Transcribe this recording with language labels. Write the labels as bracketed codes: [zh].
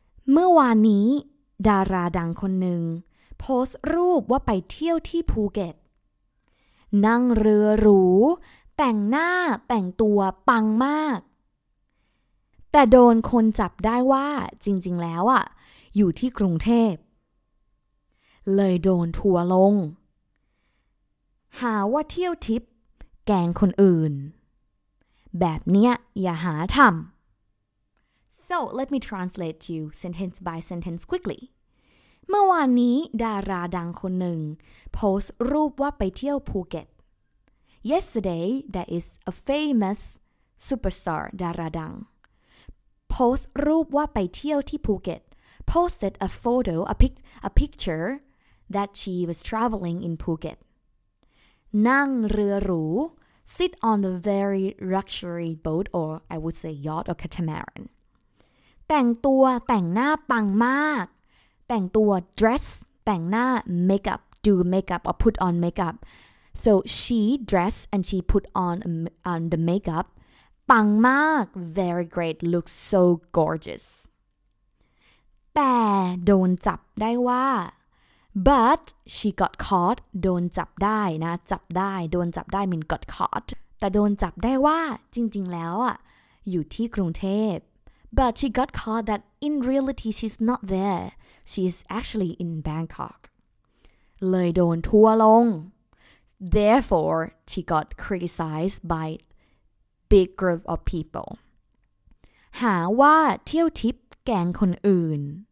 [th] เมื่อวานนี้ดาราดังคนหนึ่งโพสต์รูปว่าไปเที่ยวที่ภูเก็ตนั่งเรือหรูแต่งหน้าแต่งตัวปังมากแต่โดนคนจับได้ว่าจริงๆแล้วอ่ะอยู่ที่กรุงเทพเลยโดนทัวร์ลงหาว่าเที่ยวทิปแกงคนอื่นแบบเนี้ยอย่าหาทำ [en] So let me translate to you sentence by sentence quickly [th] เมื่อวานนี้ดาราดังคนหนึ่งโพสต์รูปว่าไปเที่ยวภูเก็ต [en] Yesterday there is a famous superstar [th] ดาราดังโพสต์รูปว่าไปเที่ยวที่ภูเก็ต [en] posted a photo a picture that she was traveling in Phuket [th] นั่งเรือหรู [en] Sit on the very luxury boat, or I would say yacht or catamaran. [th] แต่งตัวแต่งหน้าปังมากแต่งตัว [en] dress [th] แต่งหน้า [en] makeup do makeup or put on makeup. So she dressed and she put on the makeup [th] ปังมาก [en] very great looks so gorgeous [th] แต่โดนจับได้ว่า [en] but she got caught [th] โดนจับได้นะจับได้โดนจับได้ [en] mean got caught [th] แต่โดนจับได้ว่าจริงๆแล้วอ่ะอยู่ที่กรุงเทพ [en] but she got caught that in reality she's not there she's actually in Bangkok [th] เลยโดนทัวลง [en] therefore she got criticized by big group of people [th] หาว่าเที่ยวทิปแกงคนอื่น